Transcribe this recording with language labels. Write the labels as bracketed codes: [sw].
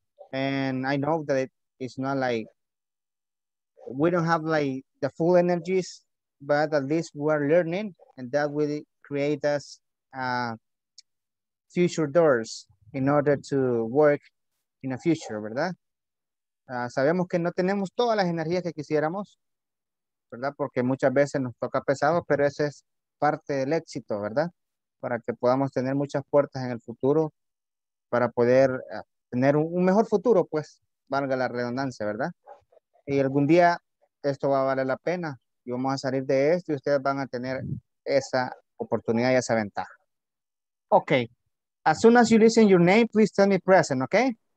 [en] And I know that it's not like, we don't have like the full energies, but at least we're learning, and that will create us future doors in order to work in the future, ¿verdad? [es] Sabemos que no tenemos todas las energías que quisiéramos, ¿verdad? Porque muchas veces nos toca pesado, pero eso es parte del éxito, ¿verdad? Para que podamos tener muchas puertas en el futuro, para poder tener un mejor futuro, pues, valga la redundancia, ¿verdad? Y algún día esto va a valer la pena y vamos a salir de esto y ustedes van a tener esa oportunidad y esa ventaja. [en] Okay. As soon as you listen your name, please tell me present, okay?